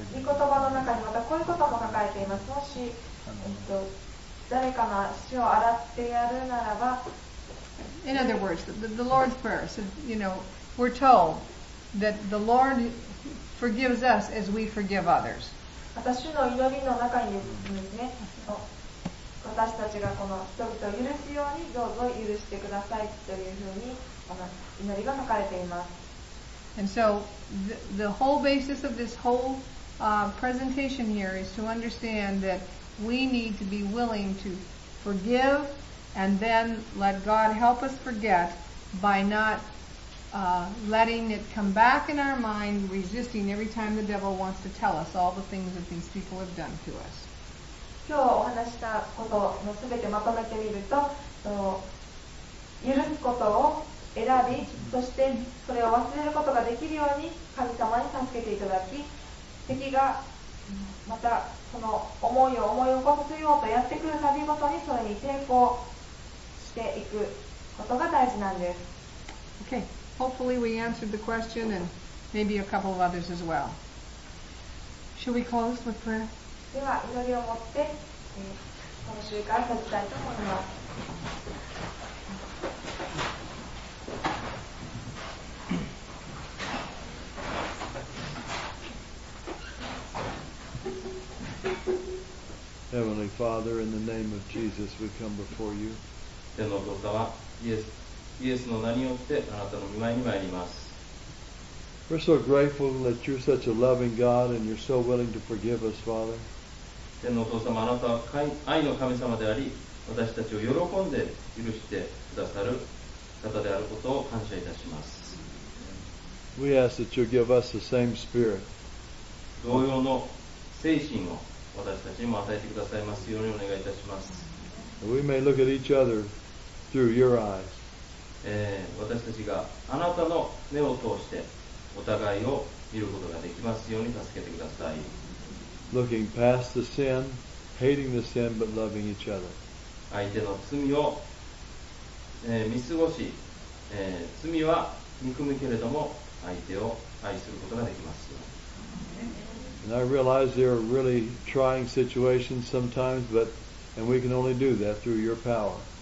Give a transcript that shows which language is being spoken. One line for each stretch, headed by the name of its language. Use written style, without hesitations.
Japanese: 御言葉の中にまたこういうことも書かれています。もし、誰かの足を洗ってやるならば、
English: In other words, the Lord's Prayer says, you know, we're told that the Lord forgives us as we forgive others.
Japanese: また主の祈りの中にですね、私たちがこの人々を許すようにどうぞ許してくださいというふうにこの祈りが書かれています。
English: And so the whole basis of this whole presentation here is to understand that we need to be willing to forgive and then let God help us forget by not letting it come back in our mind, resisting every time the devil wants to tell us all the things that these people have done to us.
Japanese: 今日お話したことのすべてまとめてみると、許すことを選び、そしてそれを忘れることができるように神様に助けていただき、敵がまたその思いを思い起こさせようとやってくる度ごとにそれに抵抗していくことが大事なんです。
English: Okay, hopefully we answered the question and maybe a couple of others as well. Should we close with prayer?
Japanese: では祈りを持って、この集会を閉じたいと思います。
English: Heavenly Father, in the name of Jesus, we come before you.
Japanese: 天のお父様、イエスの名によってあなたの御前に参ります。
English: We're so grateful that you're such a loving God and you're so willing to forgive us, Father.
Japanese: 天のお父様、あなたは愛の神様であり、私たちを喜んで許してくださる方であることを感謝いたします。
English: We ask that you give us the same spirit.
Japanese: 同様の精神を私たちにも与えてくださいますようにお願いいたします。
English: We may look at each other through your eyes.
Japanese: 私たちがあなたの目を通してお互いを見ることができますように助けてください。
English: Looking past the sin, hating the sin, but loving each other.
Japanese: 相手の罪を、見過ごし、罪は憎むけれども相手を愛することができますように。
English: And I realize there are really trying situations sometimes, but and we can only do that through your power.